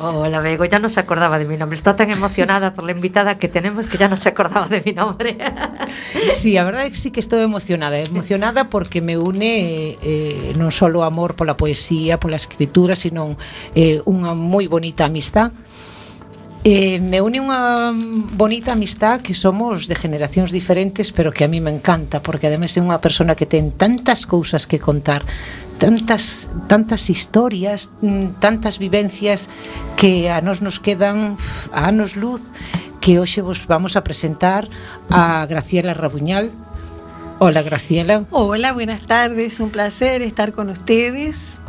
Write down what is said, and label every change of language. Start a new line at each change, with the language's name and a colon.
Spanish: Ola, Bego, ya no se acordaba de mi nombre. Está tan emocionada por la invitada que tenemos que ya no se acordaba de mi nombre.
Galician: Sí, a verdade é que sí que estou emocionada. Emocionada porque me une non só o amor pola poesía, pola escritura, sino unha moi bonita amistad. Me une unha bonita amistad que somos de generacións diferentes, pero que a mí me encanta, porque ademais é unha persona que ten tantas cousas que contar, tantas historias, tantas vivencias que a nós nos quedan a anos luz, que hoxe vos vamos a presentar a Graciela Rabuñal.
Spanish: Hola, Graciela. Hola, buenas tardes, un placer estar con ustedes.